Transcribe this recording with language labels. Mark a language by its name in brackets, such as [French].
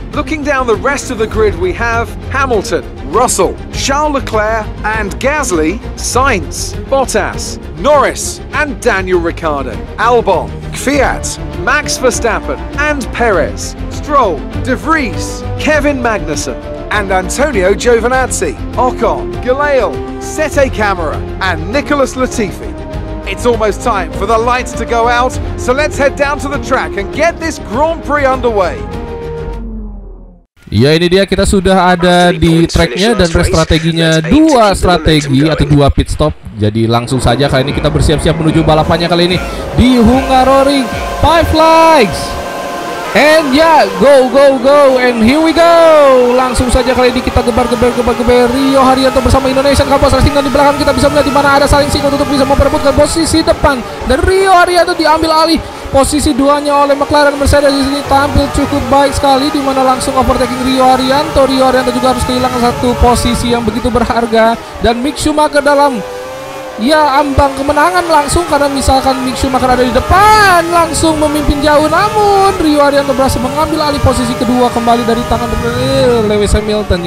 [English] Looking down the rest of the grid, we have Hamilton, Russell, Charles Leclerc and Gasly, Sainz, Bottas, Norris and Daniel Ricciardo, Albon, Kvyat, Max Verstappen and Perez, Stroll, De Vries, Kevin Magnussen and Antonio Giovinazzi, Ocon, Gilel, Sete Camara and Nicholas Latifi. It's almost time for the lights to go out, so let's head down to the track and get this Grand Prix underway. [Indonesian] Ya, ini dia, kita sudah ada di tracknya dan race strateginya, dua strategi atau dua pit stop. Jadi langsung saja kali ini kita bersiap-siap menuju balapannya kali ini di Hungaroring. [English] Five flags and yeah, go go go and here we go. [Indonesian] Langsung saja kali ini kita gebar-gebar Rio Arianto bersama Indonesian Campos Racing. Dan di belakang kita bisa melihat di mana ada saling singgah untuk bisa memperebutkan posisi depan, dan Rio Arianto diambil alih posisi 2-nya oleh McLaren Mercedes di sini tampil cukup baik sekali, di mana langsung overtaking Rio Haryanto. Rio Haryanto juga harus kehilangan satu posisi yang begitu berharga, dan Mick Schumacher dalam ya ambang kemenangan langsung, karena misalkan Mick Schumacher ada di depan langsung memimpin jauh, namun Rio Haryanto berhasil mengambil alih posisi kedua kembali dari tangan Lewis Hamilton.